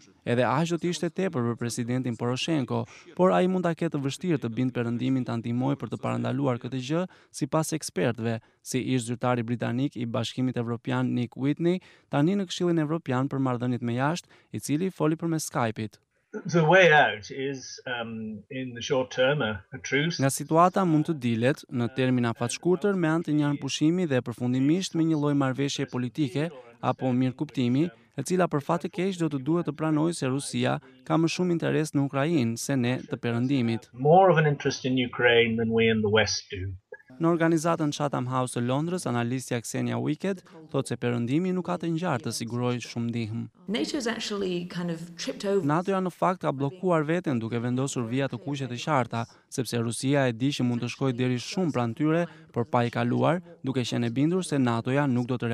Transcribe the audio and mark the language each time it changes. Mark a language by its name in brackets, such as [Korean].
[Albanian] Edhe aq do të ishte tepër për presidentin Poroshenko, por ai mund ta ketë vështirë të bindë perëndimin ta ndihmojë për të parandaluar këtë gjë, sipas ekspertëve, si ish zyrtari britanik i Bashkimit Evropian Nick Whitney, tani në Këshillin Evropian për Marrëdhëniet me Jashtë, i cili foli përmes Skype-it. [English] The way out is in the short term a truce. [Albanian] Nga situata mund të dilet në termin afatshkurtër me anë të njëjtë pushimi dhe përfundimisht me një lloj marrëveshje politike apo mirëkuptimi, e cila për fat të keq do të duhet të pranoj se Rusia ka më shumë interes në Ukrainë se ne të perëndimit. [English] More of an interest in Ukraine than we in the West do. [Albanian] Në organizatën Chatham House të Londrës, analistja Xenia Wicket thotë se perëndimi nuk ka të ngjarë të sigurojë shumë ndihmë. NATO-ja në fakt ka bllokuar veten duke vendosur vija të kuqe të qarta, sepse Rusia e di që mund të shkojë deri shumë pranë tyre, por pa i kaluar, duke qenë e bindur se NATO-ja nuk do të